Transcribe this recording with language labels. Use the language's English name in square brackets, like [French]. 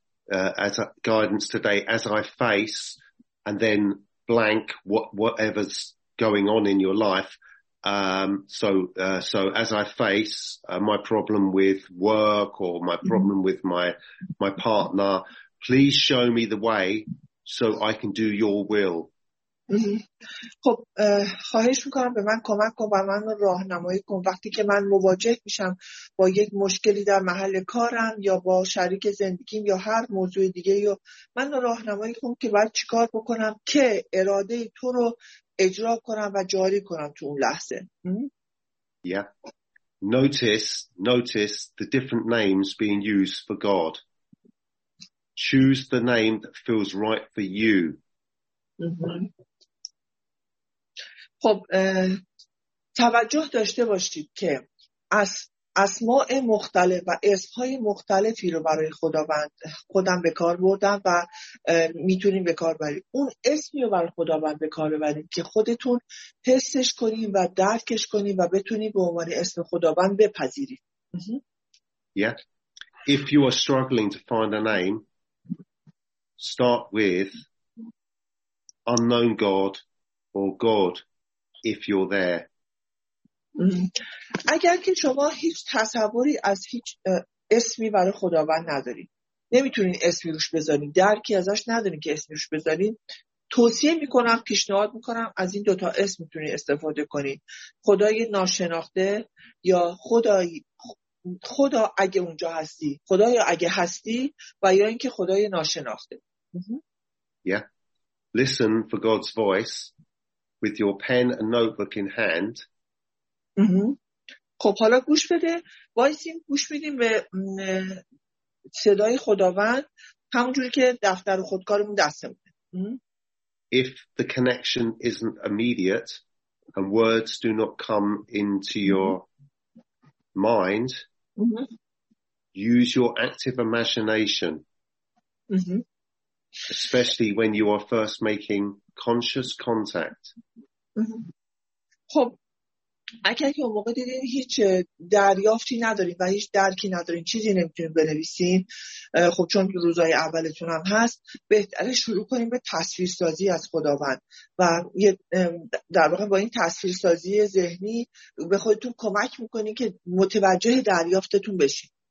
[English] As a guidance today, as I face and then blank whatever's going on in your life. So as I face my problem with work or my problem with my partner, please show me the way so I can do your will. [Persian] خب خواهش میکنم به من کمک کن و من راهنمایی کن وقتی که من مواجه میشم با یک مشکلی در محل کارم یا با شریک زندگیم یا هر موضوع دیگه، یا من راهنمایی کن که باید چیکار بکنم که اراده تو رو اجرا کنم و جاری کنم تو اون لحظه. [English] Yeah. Notice the different names being used for God. Choose the name that feels right for you. [Persian] خب توجه داشته باشید که از اسماء مختلف و اسمهای مختلفی رو برای خداوند خودم به کار بردم و میتونیم به کار بریم. اون اسمی رو برای خداوند به کار بریم که خودتون حسش کنیم و درکش کنیم و بتونیم به عنوان اسم خداوند بپذیریم. [English] Yeah. If you are struggling to find a name, start with unknown God or God. If you're there. [Persian] اگر که شما هیچ تصوری از هیچ اسمی برای خداوند ندارید، نمیتونین اسمی روش بذارید، درکی ازش ندارین که اسمی روش بذارین، توصیه میکنم، پیشنهاد میکنم از این دوتا اسم میتونین استفاده کنین. خدای ناشناخته یا خدا اگه اونجا هستی، خدا یا اگه هستی، و یا اینکه خدای ناشناخته. [English] Yeah. Listen for God's voice with your pen and notebook in hand. [Persian] خب حالا گوش بده، وایسین گوش بدیم به صدای خداوند همونجوری که دفتر و خودکارمون دستمونه. [English] If the connection isn't immediate and words do not come into your mind, use your active imagination. Especially when you are first making conscious contact. [Persian] خب اگر که اون موقع دیدین هیچ دریافتی ندارین و هیچ درکی ندارین، چیزی نمیتونین بنویسین، خب چون روزای اولتون هم هست، بهتره شروع کنیم به تصویر سازی از خداوند و در واقع با این تصویر سازی ذهنی به خودتون کمک میکنین که متوجه دریافتتون بشین.